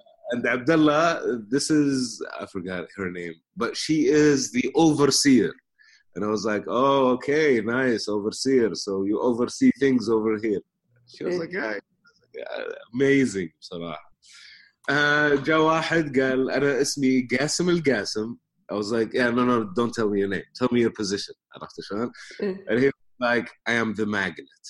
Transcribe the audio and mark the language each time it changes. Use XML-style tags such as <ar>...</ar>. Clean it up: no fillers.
<en>And Abdullah, this is, I forgot her name, but she is the overseer. And I was like, oh, okay, nice, overseer. So you oversee things over here. She was like, yeah, amazing, صراحة.</en> <ar>جاء واحد قال, أنا اسمي قاسم القاسم.</ar> <en>I was like, yeah, no, don't tell me your name. Tell me your position.</en> <ar>عرفت شلون؟</ar> <en>And he was like, I am the magnet.</en>